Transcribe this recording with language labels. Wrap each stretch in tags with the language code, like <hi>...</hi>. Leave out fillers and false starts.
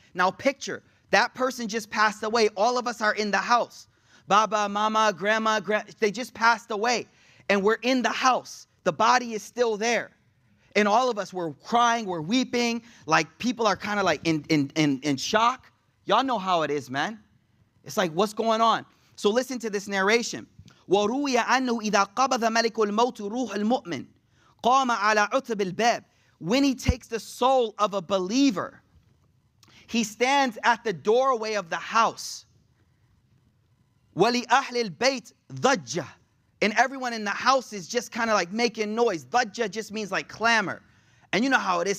<en>Now picture, that person just passed away. All of us are in the house. Baba, mama, grandma, they just passed away. And we're in the house. The body is still there. And all of us, we're crying, we're weeping. Like people are kind of like in shock. Y'all know how it is, man. It's like, what's going on? So listen to this narration.</en> <ar>وروي أنه إذا قبض ملك الموت روح المؤمن قام على عتب الباب.</ar> <en>When he takes the soul of a believer, he stands at the doorway of the house.</en> <ar>ولأهل البيت ضجة.</ar> <en>And everyone in the house is just kind of like making noise. ضجة just means like clamor. And you know how it is.</en>